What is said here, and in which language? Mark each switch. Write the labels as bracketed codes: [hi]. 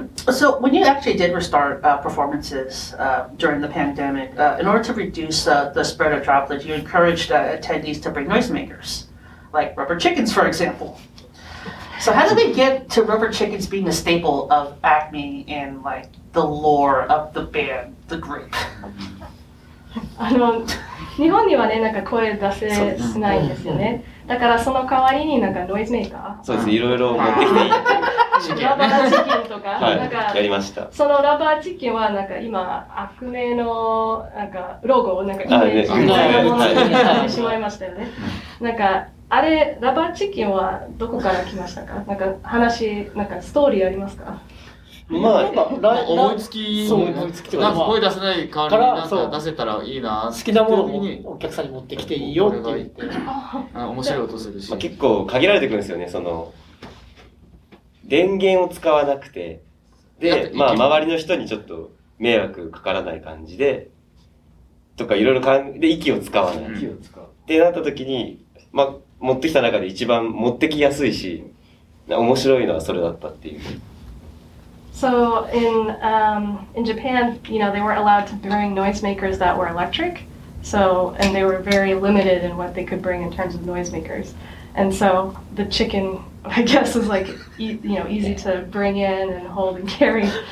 [en] So when you actually did restart performances during the pandemic, in order to reduce the spread of droplets, you encouraged attendees to bring noisemakers, like rubber chickens, for example. So how did they get to rubber chickens being a staple of ACME and like the lore of the band, the group? [ja] あの、日本にはね、なんか声出せないんですよね。だからその代わりになんかノイズメーカー。そうです、いろいろ持ってきて。チキンね、ラバーチキンとか、はい、なんかやりました。そのラバーチキンはなんか今ACMEのなんかロゴをなんかイメージみたいなものになってしまいましたよね。なんか。あれ、ラバーチキンはどこから来ましたか？なんか話、なんかストーリーありますか？まあ、なんか思いつき、そう思いつきとか、なんか声出せない代わりになんか出せたらいいな、好きなものをお客さんに持ってきていいよって言って、あ、面白い音するし、まあ、結構限られてくるんですよね、その電源を使わなくて、で、まあ周りの人にちょっと迷惑かからない感じで、とかいろいろ考えて、息を使わない。息を使う。ってなった時に、まあ、持ってきた中で一番持ってきやすいし、面白いのはそれだったっていう。 [en] So in Japan, you know, they weren't allowed to bring noisemakers that were electric. So, and they were very limited in what they could bring in terms of noisemakers. And so the chicken, I guess, was like, you know, easy to bring in and hold and carry.